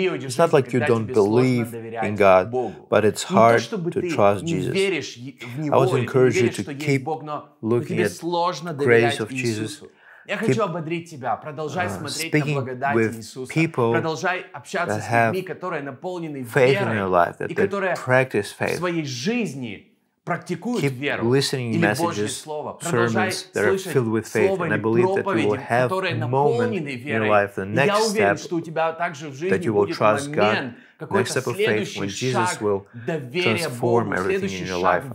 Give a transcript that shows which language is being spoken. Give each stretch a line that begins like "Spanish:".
English: It's not like you don't believe in God, but it's hard to trust Jesus. I would encourage you to keep looking at the grace of Jesus.
Russian: Я хочу ободрить тебя. Продолжай смотреть на благодать Иисуса. Продолжай общаться с людьми, которые наполнены верой и которые в своей жизни
English: keep listening to messages, sermons that are filled with faith, and I believe that you will have a moment in your life, the next step, that you will trust God, the next step of faith, when Jesus will transform everything in your life.